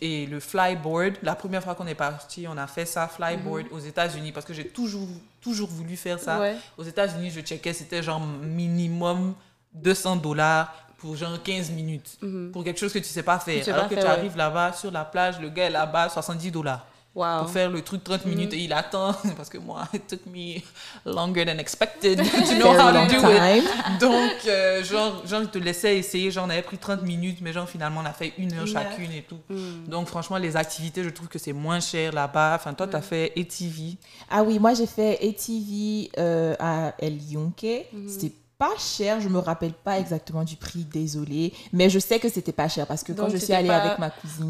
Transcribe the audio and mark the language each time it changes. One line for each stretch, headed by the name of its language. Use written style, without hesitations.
French: Et le flyboard, la première fois qu'on est parti, on a fait ça, flyboard, aux États-Unis, parce que j'ai toujours voulu faire ça. Ouais. Aux États-Unis, je checkais, c'était genre minimum $200 pour genre 15 minutes, pour quelque chose que tu sais pas faire. Alors que tu arrives là-bas, sur la plage, le gars est là-bas, $70. Wow. Pour faire le truc 30 minutes, et il attend, parce que moi,
English: it took me longer than expected to know how to do time. It.
French: Donc, genre, je te laissais essayer, genre, on avait pris 30 minutes, mais genre, finalement, on a fait une heure chacune et tout. Mm. Donc, franchement, les activités, je trouve que c'est moins cher là-bas. Enfin, toi, t'as fait ATV. Ah oui, moi, j'ai fait ATV à El Yunque. C'était pas cher, je me rappelle pas exactement du prix, désolée, mais je sais que c'était pas cher parce que quand je suis allée avec ma cousine.